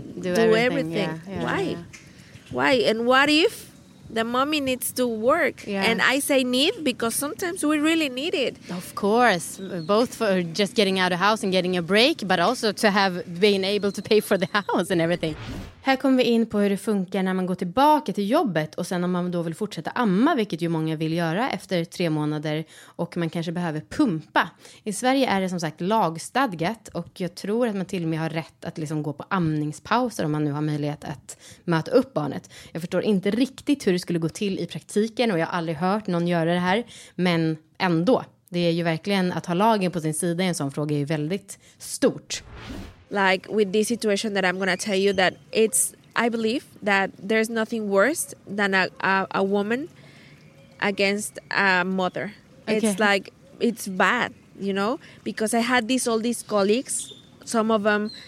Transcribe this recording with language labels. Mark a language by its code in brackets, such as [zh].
[en] do everything. Why? And what if the mommy needs to work? Yeah. And I say need because sometimes we really need it. Of course. Both for just getting out of house and getting a break, but also to have been able to pay for the house and everything. [sv] Här kommer vi in på hur det funkar när man går tillbaka till jobbet och sen om man då vill fortsätta amma, vilket ju många vill göra efter 3 månader och man kanske behöver pumpa. I Sverige är det som sagt lagstadgat och jag tror att man till och med har rätt att liksom gå på amningspauser om man nu har möjlighet att möta upp barnet. Jag förstår inte riktigt hur det skulle gå till i praktiken och jag har aldrig hört någon göra det här, men ändå. Det är ju verkligen att ha lagen på sin sida i en sån fråga är ju väldigt stort. [en] Like with this situation that I'm going to tell you that it's, I believe that there's nothing worse than a woman against a mother. Okay. It's like, it's bad, you know, because I had all these colleagues, some of them